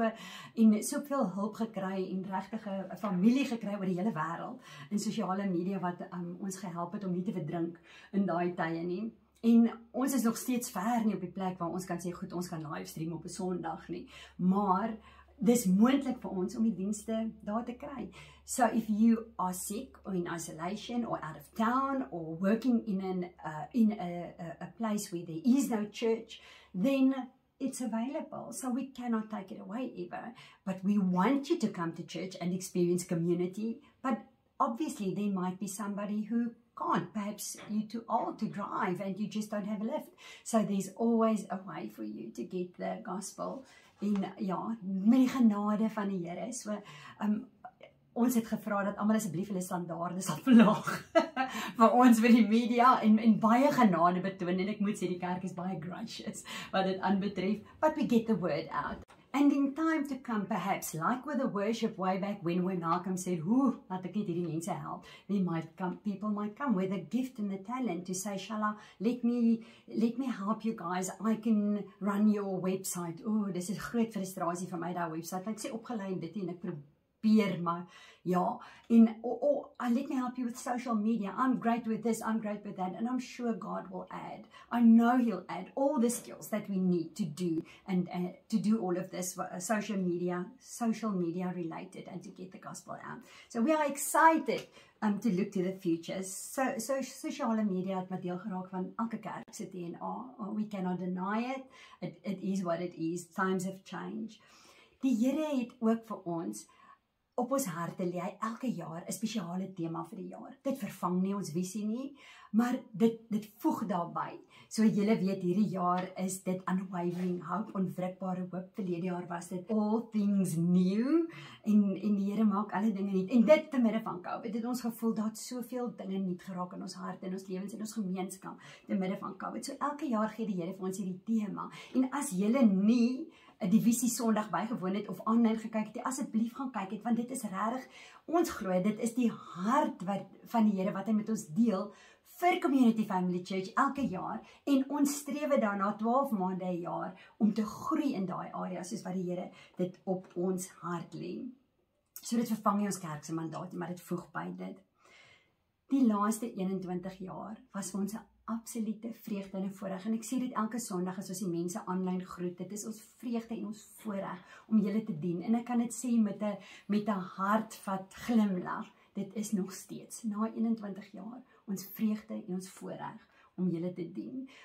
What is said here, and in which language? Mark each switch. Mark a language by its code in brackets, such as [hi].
[af] En soveel hulp gekry en regtige familie gekry oor die hele wêreld in sosiale media wat ons gehelp het om nie te verdrink in daai tye nie. En ons is nog steeds ver nie op die plek waar ons kan sê goed, ons kan livestream op 'n Sondag nie. Maar dis moontlik vir ons om die dienste daar te kry. [en] So if you are sick or in isolation or out of town or working in a place where there is no church, then it's available, so we cannot take it away either. But we want you to come to church and experience community. But obviously, there might be somebody who can't. Perhaps you're too old to drive and you just don't have a lift. So there's always a way for you to get the gospel in, [af] ja, met die genade van die Here. So, ons het gevra dat almal asseblief hulle standaarde sal verlaag vir ons vir die media en baie genade betoon, en ek moet sê die kerk is baie gracious wat dit aanbetref, [en] but we get the word out. And in time to come, perhaps, like with the worship way back when Malcolm said, [af] "Hoo, laat ek net hierdie mense help," [en] people might come with a gift and the talent to say, "Shala, let me help you guys. I can run your website." [af] Ooh, dis is groot frustrasie vir my daai website. Ek sê opgelei dit en ek probeer, maar ja, en [en] or let me help you with social media. I'm great with this, I'm great with that, and I'm sure God will add. I know He'll add all the skills that we need to do and to do all of this social media related and to get the gospel out. So we are excited to look to the future. [af] So sosiale media het met deel geraak van elke kerk se DNA. [en] We cannot deny it. It is what it is. Times have changed. [af] Die Here het ook vir ons op ons harte lê elke jaar 'n spesiale tema vir die jaar. Dit vervang nie ons visie nie, maar dit voeg daarby. So julle weet, hierdie jaar is dit unwavering hope, onwrikbare hoop. Verlede jaar was dit all things new, en die Here maak alle dinge nuut. En dit te midde van COVID het ons gevoel dat soveel dinge nuut geraak in ons harte, in ons lewens, in ons gemeenskap te midde van COVID. So elke jaar gee die Here vir ons hierdie tema. En as julle nie 'n divisie Sondag bygewoon het of aanlyn gekyk het, asseblief gaan kyk het, want dit is regtig, ons glo dit is die hart wat van die Here wat hy met ons deel vir Community Family Church elke jaar, en ons strewe daarna 12 maande 'n jaar om te groei in daai area soos wat die Here dit op ons hart lê. So dit vervang nie ons kerk se mandaat nie, maar dit voeg by dit. Die laaste 21 jaar was ons 'n absolute vreugde en voorreg, en ek sê dit elke Sondag as ons die mense aanlyn groet. Dit is ons vreugde en ons voorreg om julle te dien, en ek kan dit sê met 'n hart wat glimlag, dit is nog steeds na 21 jaar ons vreugde en ons voorreg om julle te dien.